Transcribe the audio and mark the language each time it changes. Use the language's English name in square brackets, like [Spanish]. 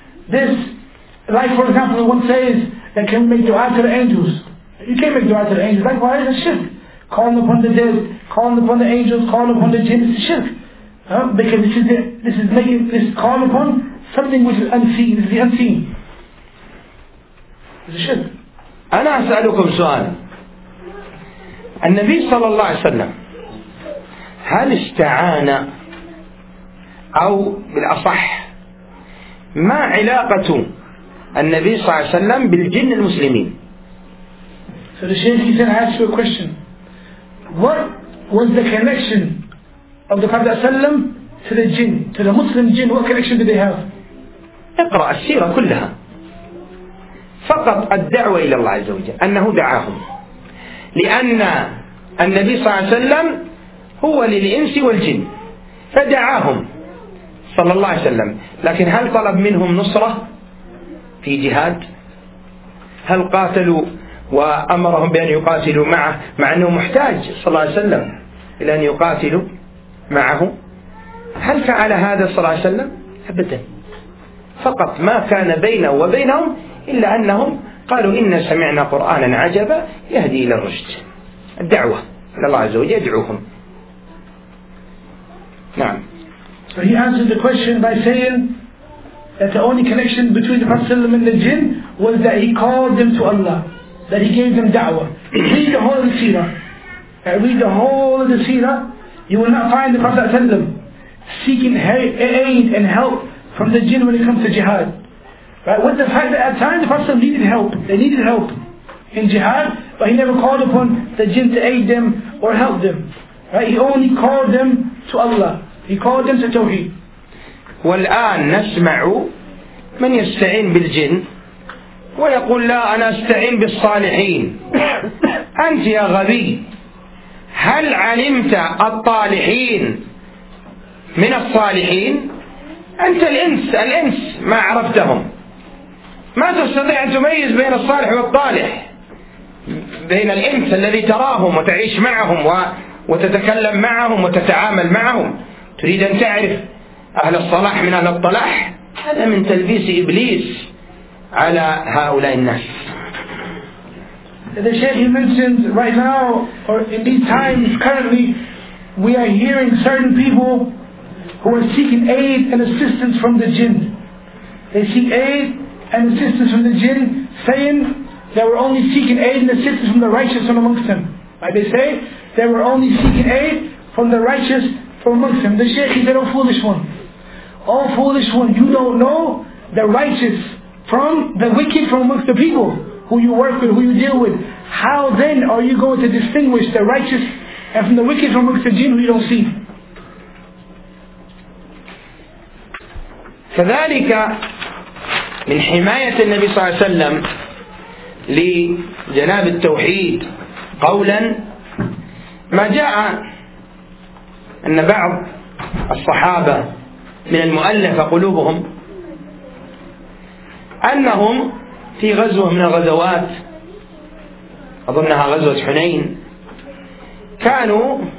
[English] This, like for example, one says that can make dua to the angels. You can't make dua to the angels. Likewise, it's a shirk. Calling upon the dead, calling upon the angels, calling upon the jinn is a shirk. Because this is calling upon something which is unseen. This is the unseen. It's a shirk. [Arabic] أنا أسألكم سؤال: النبي صلى الله عليه وسلم هل استعان، أو بالأصح ما علاقة النبي صلى الله عليه وسلم بالجن المسلمين؟ [English] So the Shaykh is going to ask you a question. What was the connection of the Prophet Sallam to the jinn, to the Muslim jinn? What connection did they have? [Arabic] اقرأ السيرة كلها. فقط الدعوة إلى الله عز وجل أنه دعاهم، لأن النبي صلى الله عليه وسلم هو للإنس والجن، فدعاهم صلى الله عليه وسلم. لكن هل طلب منهم نصرة في جهاد؟ هل قاتلوا وأمرهم بأن يقاتلوا معه مع أنه محتاج صلى الله عليه وسلم إلى أن يقاتلوا معه؟ هل فعل هذا صلى الله عليه وسلم؟ أبدا. فقط ما كان بينه وبينهم إلا أنهم قالوا إن سمعنا قرآنا عجبا يهدي إلى الرشد، الدعوة لله عز وجل يدعوهم. نعم. [English] So he answered the question by saying that the only connection between the Prophet and the jinn was that he called them to Allah, that he gave them da'wah. Read the whole of the seerah. Read the whole of the seerah. You will not find the Prophet seeking aid and help from the jinn when it comes to jihad. Right? With the fact that at times the Prophet needed help, they needed help in jihad, but he never called upon the jinn to aid them or help them. Right? He only called them to Allah. He called them to Tawheed. [Arabic] والآن نسمع من يستعين بالجن ويقول لا أنا أستعين بالصالحين. أنت يا غبي، هل علمت الطالحين من الصالحين؟ أنت الإنس ما عرفتهم، ما تستطيع أن تميز بين الصالح والطالح، بين الإنس الذي تراهم وتعيش معهم وتتكلم معهم وتتعامل معهم. تريد أن تعرف أهل الصلاح من أهل الطلح؟ هذا من تلبيس إبليس على هؤلاء الناس. [English] The Shaykh, he mentioned right now, or in these times currently, we are hearing certain people who are seeking aid and assistance from the jinn. They seek aid and assistance from the jinn, saying they were only seeking aid and assistance from the righteous from amongst them. Like they say, they were only seeking aid from the righteous from amongst them. The Shaykh, he said, oh foolish one, oh foolish one, you don't know the righteous from the wicked from amongst the people who you work with, who you deal with. How then are you going to distinguish the righteous and from the wicked from amongst the jinn we don't see? [Arabic] فذلك من حماية النبي صلى الله عليه وسلم لجناب التوحيد قولا ما جاء أن بعض الصحابة من المؤلف قلوبهم أنهم في غزوة من الغزوات، أظنها غزوة حنين، كانوا